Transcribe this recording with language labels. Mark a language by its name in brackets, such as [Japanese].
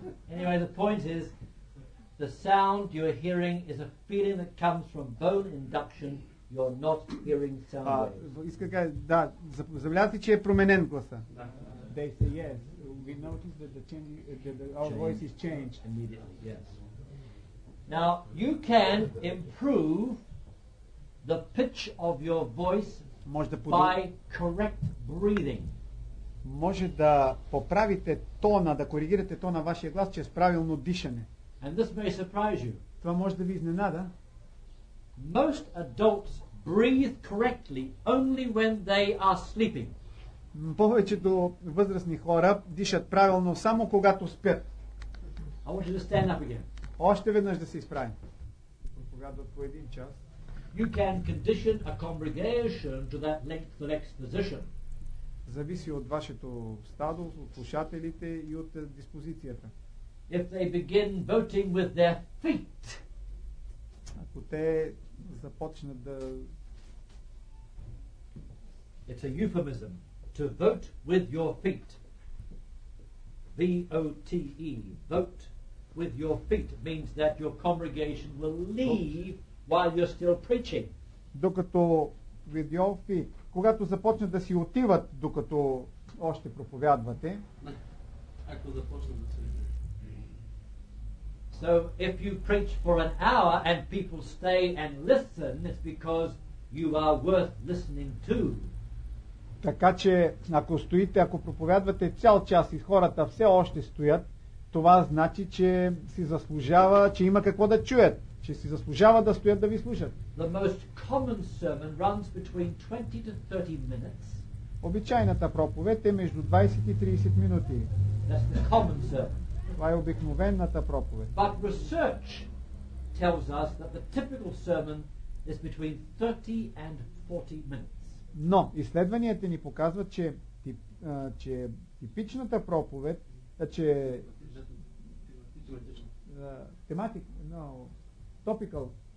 [English] Anyway, the point is the sound you are hearing is a feeling that comes from bone induction. You're not hearing sound waves. [Bulgarian] Иска кай, да, забелязвате, че е променен гласа. [English] They say yes. We notice that the change, that our voice is changed immediately. Yes. Now you can improve the pitch of your voice by correct breathing. [Bulgarian] Може да поправите тона, да коригирате тона вашия глас чрез правилно дишане. [English] And this may surprise you. [Bulgarian] Това може да ви изненада. [English] Most adults breathe correctly only when they are sleeping. [Bulgarian] Повечето възрастни хора дишат правилно само когато спят. [English] I want you to stand up again. [Bulgarian] Още веднъж да се изправим. Пропагандът по един час. [English] You can condition a congregation to that length of exposition. [Bulgarian] зависи от вашето стадо, от слушателите и от диспозицията. [English] If they begin voting with their feet, [Bulgarian] ако те започнат да... [English] It's a euphemism to vote with your feet. V-O-T-E. Vote with your feet means that your congregation will leave while you're still preaching. [Bulgarian] Докато [English] with your feet, [Bulgarian] когато започнат да си отиват, докато още проповядвате. Ако започнат да си отиват. [English] So if you preach for an hour and people stay and listen, it's because you are worth listening to. [Bulgarian] Така че ако стоите, ако проповядвате цял час и хората все още стоят, това значи, че си заслужава, че има какво да чуят, че си заслужава да стоят да ви слушат. [English] The most common sermon runs between 20 to 30 minutes. [Bulgarian] Обичайната проповед е между 20 и 30 минути. [English] That's the common sermon. [Bulgarian] Това е обикновената проповед. [English] But research tells us that the typical sermon is between 30 and 40 minutes. [Bulgarian] Но изследванията ни показват, че, че типичната проповед, че тематик, но топикал.